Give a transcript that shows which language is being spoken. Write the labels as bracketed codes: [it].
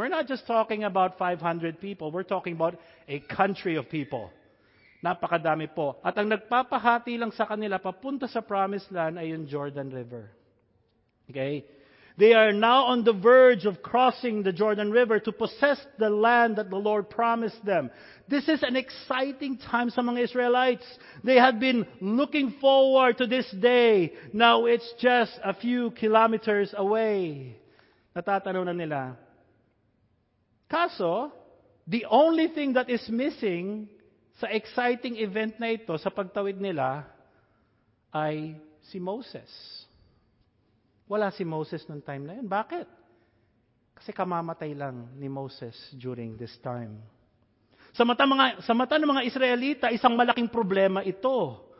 [en] We're not just talking about 500 people, we're talking about a country of people. [tl] Napakadami po. At ang nagpapahati lang sa kanila papunta sa Promised Land ay yung Jordan River. Okay? [en] They are now on the verge of crossing the Jordan River to possess the land that the Lord promised them. This is an exciting time among Israelites. They had been looking forward to this day. Now it's just a few kilometers away. [tl] Natatanong na nila. Kaso, [en] the only thing that is missing [tl] sa exciting event na ito, sa pagtawid nila, ay si Moses. Wala si Moses noong time na yun. Bakit? Kasi kamamatay lang ni Moses [en] during this time. [tl] Sa mata ng mga Israelita, isang malaking problema ito.